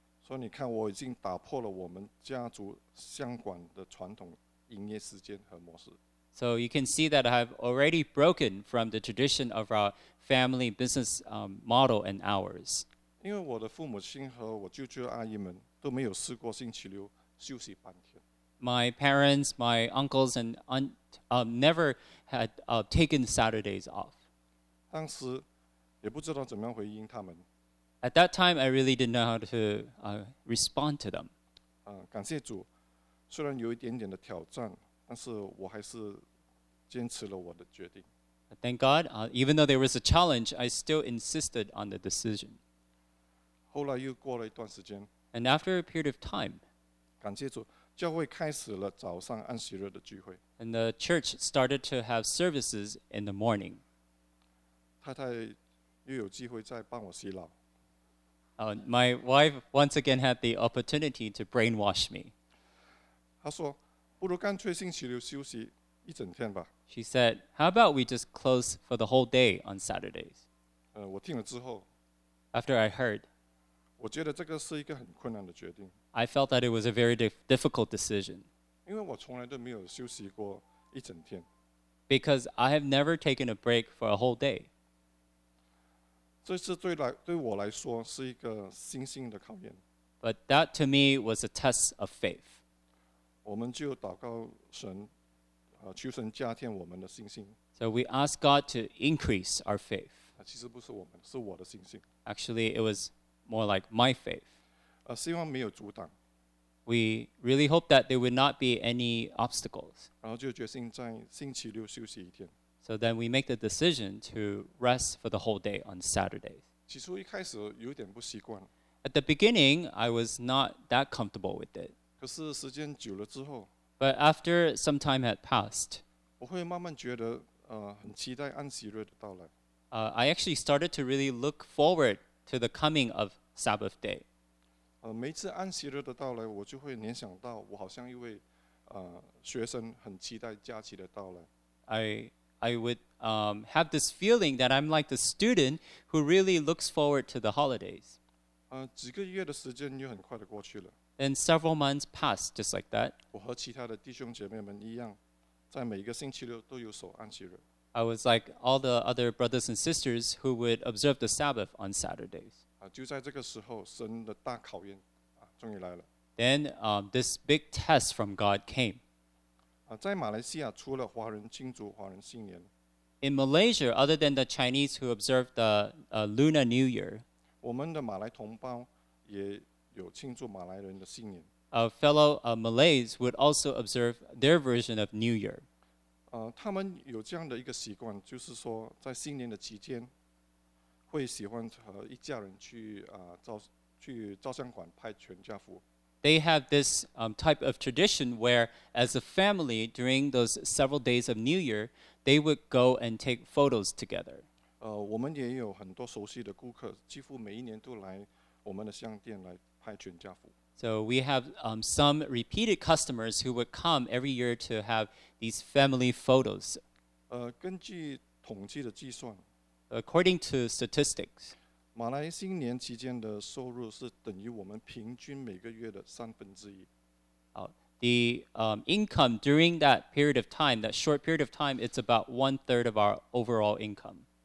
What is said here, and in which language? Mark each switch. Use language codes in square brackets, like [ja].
[zh] 所以你看我已经打破了我们家族相关的传统营业时间和模式。 [en] So you can see that I've already broken from the tradition of our family business model and hours. [zh] 因为我的父母亲和我舅舅阿姨们都没有试过星期六休息半天。 [en] My parents, my uncles and aunt never had taken Saturdays off. [zh] 当时也不知道怎么样回应他们。 [en] At that time, I really didn't know how to respond to them. [zh] 感谢主，虽然有一点点的挑战。但是我还是坚持了我的决定。 [en] Thank God, even though there was a challenge, I still insisted on the decision. [zh] 后来又过了一段时间。 [en] And after a period of time, [zh] 感谢主，教会开始了早上安息日的聚会。 [en] And the church started to have services in the morning. [zh] 太太又有机会再帮我洗脑。 [en] My wife once again had the opportunity to brainwash me. [zh] 她说不如干脆星期六休息一整天吧。 [en] She said, "How about we just close for the whole day on Saturdays?" [zh] 我听了之后 [en] ，After I heard, [zh] 我觉得这个是一个很困难的决定。 [en] I felt that it was a very difficult decision. [zh] 因为我从来都没有休息过一整天。 [en] Because I have never taken a break for a whole day. [zh] 这次对我来说是一个信心的考验。 [en] But that to me was a test of faith. [zh] 我们就祷告神，求神加添我们的信心。 [en] So we ask God to increase our faith. [zh] 其实不是我们，是我的信心。 [en] Actually, it was more like my faith. [zh] 希望没有阻挡。 [en] We really hope that there would not be any obstacles. [zh] 然后就决心在星期六休息一天。 [en] So then we make the decision to rest for the whole day on Saturdays. [zh] 起初一开始有点不习惯。 [en] At the beginning, I was not that comfortable with it. [zh] 可是时间久了之后 [en] But after some time had passed, [zh] 我会慢慢觉得很期待安息日的到来。 [en] I actually started to really look forward to the coming of Sabbath day. [zh] 每次安息日的到来，我就会联想到我好像一位学生很期待假期的到来。 [en] I would have this feeling that I'm like the student who really looks forward to the holidays. [zh] 几个月的时间又很快的过去了。 [en] And several months passed just like that. [zh] 我和其他的弟兄姐妹们一样，在每个星期六都有守安息日。 [en] I was like all the other brothers and sisters who would observe the Sabbath on Saturdays. [zh] 就在这个时候，神的大考验终于来了。 [en] Then this big test from God came. [zh] 在马来西亚，除了华人庆祝华人新年 [en] ，In Malaysia, other than the Chinese who observe the Lunar New Year, [zh] 我们的马来同胞也。有庆祝马来人的新年。 [en] Fellow Malays would also observe their version of New Year. [zh] 他们有这样的一个习惯，就是说在新年的期间，会喜欢和一家人去照相馆拍全家福。 [en] They have this type of tradition where, as a family, during those several days of New Year, they would go and take photos together. [zh] 我们也有很多熟悉的顾客，几乎每一年都来我们的商店来拍全家福。 [en] So we have some repeated customers who would come every year to have these family photos. [zh] 根据统计的计算 [en] ，According to statistics， [zh] 马来新年期间的收入是等于我们平均每个月的三分之一。 [en] The income during that period of time, that short period of time, it's about one third of our overall income.